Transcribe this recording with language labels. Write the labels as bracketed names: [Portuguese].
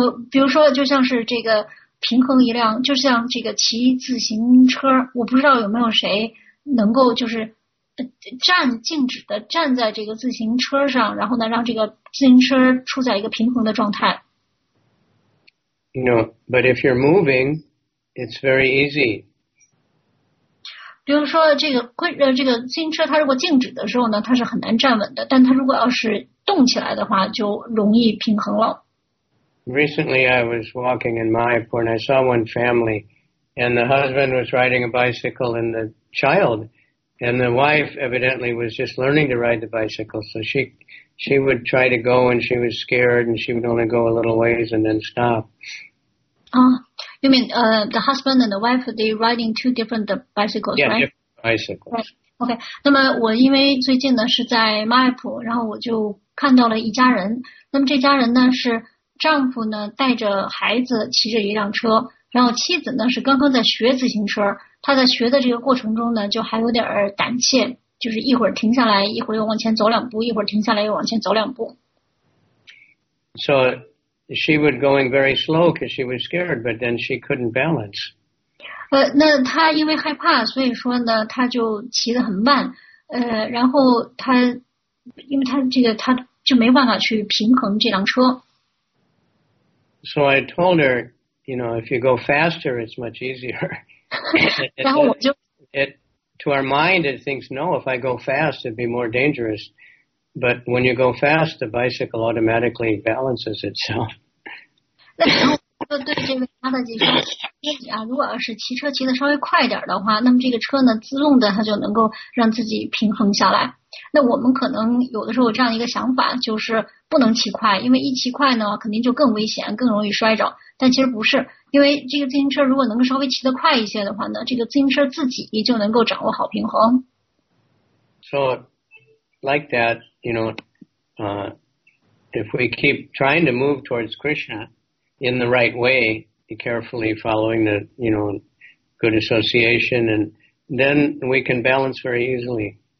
[Chinese] 比如说就像是这个平衡一辆，就像这个骑自行车，我不知道有没有谁能够就是站静止的站在这个自行车上，然后呢让这个自行车处在一个平衡的状态。 [English] No, but if you're moving, it's very easy. [Chinese] 比如说这个自行车它如果静止的时候呢，它是很难站稳的，但它如果要是动起来的话，就容易平衡了。 [English] Recently, I was walking in Mayapur, and I saw one family, and the husband was riding a bicycle, and the child, and the wife evidently was just learning to ride the bicycle, so she would try to go, and she was scared, and she would only go a little ways and then stop. You mean the husband and the wife, they riding two different bicycles, yeah, right? Yeah, different bicycles. Right. [Chinese] OK, 那么我因为最近呢是在Mayapur，然后我就看到了一家人，那么这家人呢是丈夫呢带着孩子骑着一辆车，然后妻子呢是刚刚在学自行车，她在学的这个过程中呢就还有点胆怯，就是一会儿停下来，一会儿又往前走两步，一会儿停下来又往前走两步。 [English] So she would going very slow because she was scared, but then she couldn't balance. [Chinese] 那她因为害怕，所以说呢她就骑得很慢，然后她因为她这个她就没办法去平衡这辆车。 [English] So I told her, you know, if you go faster, it's much easier. to our mind, it thinks, no, if I go fast, it'd be more dangerous. But when you go fast, the bicycle automatically balances itself. [Chinese] 那然后对这个他的这个啊，如果要是骑车骑的稍微快点的话，那么这个车呢，自动的它就能够让自己平衡下来。那我们可能有的时候有这样一个想法，就是不能骑快，因为一骑快呢肯定就更危险，更容易摔着，但其实不是，因为这个自行车如果能够稍微骑得快一些的话呢，这个自行车自己就能够掌握好平衡。 [English] So like that, you know, if we keep trying to move towards Krishna in the right way, carefully following the, you know, good association, and then we can balance very easily.